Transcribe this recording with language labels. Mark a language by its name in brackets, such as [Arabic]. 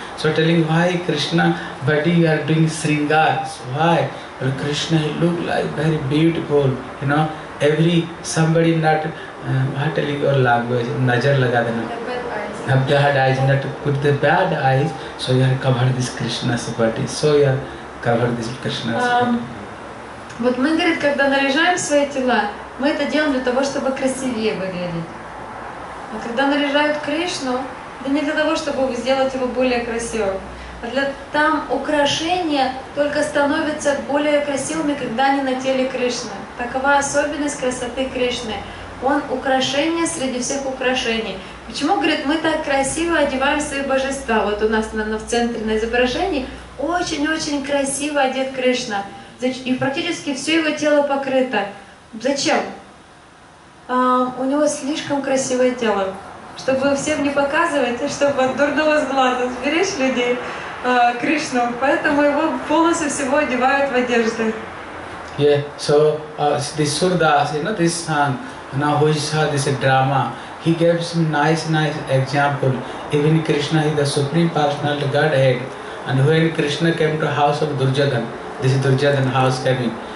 [English] So telling why Krishna body you are doing sringar. Why? Well, Krishna look like very beautiful, you know. Every somebody not telling your language, [Hindi] nazar laga dena. [English] Bad eyes. Bad eyes, not put the bad eyes, so you are covered this Krishna's body. So you are covered this Krishna's body. [Russian] Вот мы, говорит, когда наряжаем свои тела, мы это делаем для того, чтобы красивее выглядеть. А когда наряжают Кришну, это не для того, чтобы сделать его более красивым. А для там украшения только становятся более красивыми, когда они на теле Кришны. Такова особенность красоты Кришны. Он украшение среди всех украшений. Почему, говорит, мы так красиво одеваем свои божества? Вот у нас, наверное, в центре на изображении очень-очень красиво одет Кришна. И практически все его тело покрыто. Зачем? У него слишком красивое тело. Чтобы всем не показывать, чтобы от дурного взгляда сберечь людей. Кришну, поэтому его полностью всего одевают в одежды. [English] Yeah, so this Сурдас, you know, this song, now who saw this drama, he gave some nice example. Even Krishna is the supreme personal Godhead, and when Krishna came to house of Duryodhan, this is Duryodhan house coming,